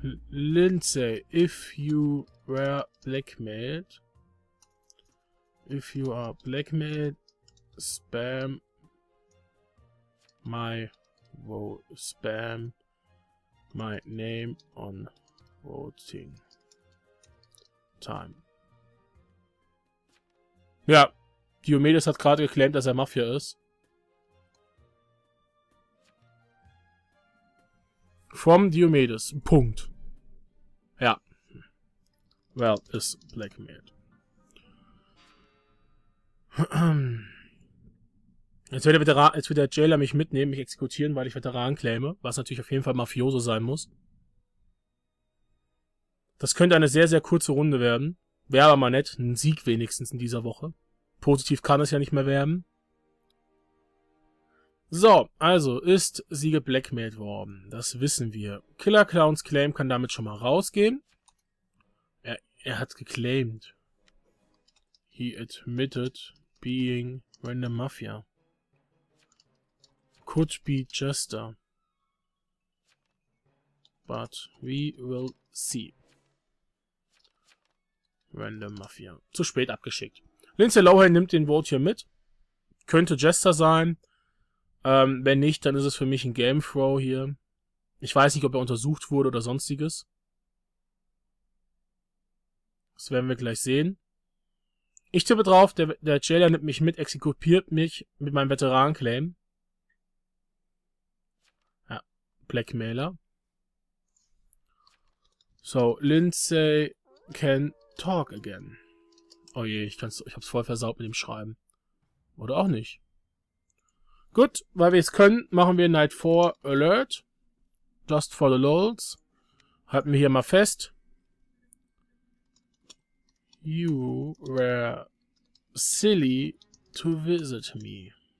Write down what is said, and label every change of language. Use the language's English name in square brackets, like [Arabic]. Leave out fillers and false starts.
[English] Lindsay, if you were blackmailed, if you are blackmailed, spam my vote, spam my name on voting time. [German] Ja, Diomedes hat gerade geclaimt, dass er Mafia ist. [English] From Diomedes. [German] Punkt. Ja. [English] Well, is blackmailed. [German] Jetzt wird der Jailer mich mitnehmen, mich exekutieren, weil ich Veteran claime, was natürlich auf jeden Fall Mafioso sein muss. Das könnte eine sehr, sehr kurze Runde werden. Wäre aber mal nett. Ein Sieg wenigstens in dieser Woche. Positiv kann es ja nicht mehr werden. So, also ist sie geblackmailed worden. Das wissen wir. Killer Clowns Claim kann damit schon mal rausgehen. Er hat geclaimed. [English] He admitted being random mafia. Could be Jester. But we will see. [German] Random Mafia. Zu spät abgeschickt. Lindsay Lohan nimmt den Vote hier mit. Könnte Jester sein. Wenn nicht, dann ist es für mich ein Game Throw hier. Ich weiß nicht, ob er untersucht wurde oder sonstiges. Das werden wir gleich sehen. Ich tippe drauf, der Jailer nimmt mich mit, exekutiert mich mit meinem Veteran-Claim. Ja, Blackmailer. [English] So, Lindsay can talk again. [German] Oh je, ich hab's voll versaut mit dem Schreiben. Oder auch nicht. Gut, weil wir es können, machen wir Night 4 Alert. [English] Just for the lulz. [German] Halten wir hier mal fest. [English] You were silly to visit me.